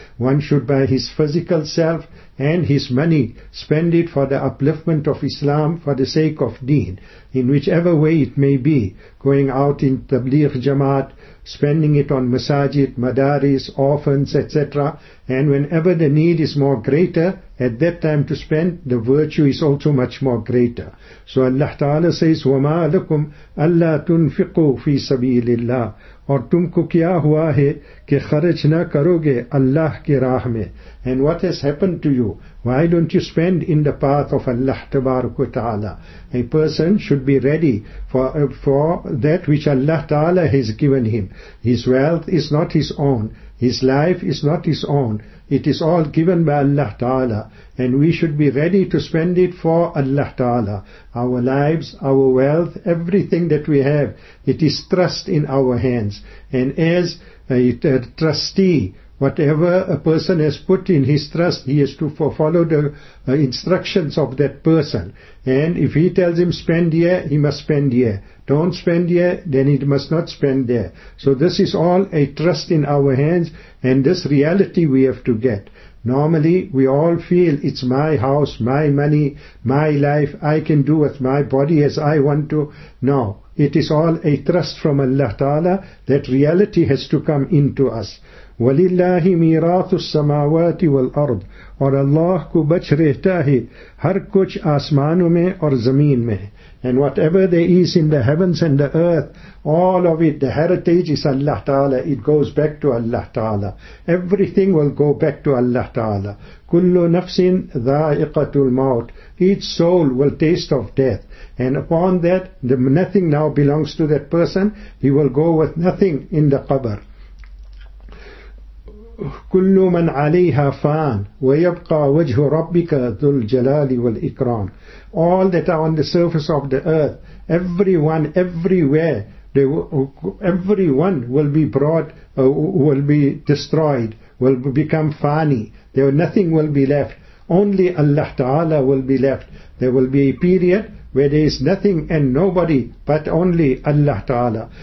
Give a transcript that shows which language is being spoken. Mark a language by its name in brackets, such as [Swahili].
[English] One should buy his physical self and his money, spend it for the upliftment of Islam, for the sake of deen, in whichever way it may be, going out in tabligh jamaat, spending it on masajid, madaris, orphans, etc. And whenever the need is more greater, at that time to spend, the virtue is also much more greater. So Allah Ta'ala says, [Arabic] وَمَا لَكُمْ أَلَّا تُنْفِقُوا فِي سَبِيلِ اللَّهِ. [Urdu] اور تم کو کیا ہوا ہے کہ خرچ نہ کرو گے اللہ کی راہ میں. [English] And what has happened to you? Why don't you spend in the path of Allah Tabaraka Ta'ala? A person should be ready for that which Allah Ta'ala has given him. His wealth is not his own. His life is not his own. It is all given by Allah Ta'ala. And we should be ready to spend it for Allah Ta'ala. Our lives, our wealth, everything that we have, it is trust in our hands. And as a trustee, whatever a person has put in his trust, he has to follow the instructions of that person. And if he tells him spend here, he must spend here. Don't spend here, then he must not spend there. So this is all a trust in our hands, and this reality we have to get. Normally, we all feel it's my house, my money, my life, I can do with my body as I want to. No, it is all a trust from Allah Ta'ala. That reality has to come into us. [Arabic] وَلِلَّهِ مِيرَاثُ السَّمَاوَاتِ وَالْأَرْضِ. [Urdu] اور اللہ کو بچ رہتا ہے ہر کچھ آسمانوں میں اور زمین میں. [English] And whatever there is in the heavens and the earth, all of it, the heritage is Allah Ta'ala. It goes back to Allah Ta'ala. Everything will go back to Allah Ta'ala. [Arabic] كُلُّ نَفْسٍ ذَائِقَةُ الْمَوْتِ. [English] Each soul will taste of death. And upon that, nothing now belongs to that person. He will go with nothing in the qabr. [Arabic] كل من عليها فان ويبقى وجه ربك ذو الجلال والإكرام. [English] All that are on the surface of the earth, everyone, everywhere, everyone will be brought, will be destroyed, will become fani. There nothing will be left. Only Allah Ta'ala will be left. There will be a period where there is nothing and nobody but only Allah Ta'ala.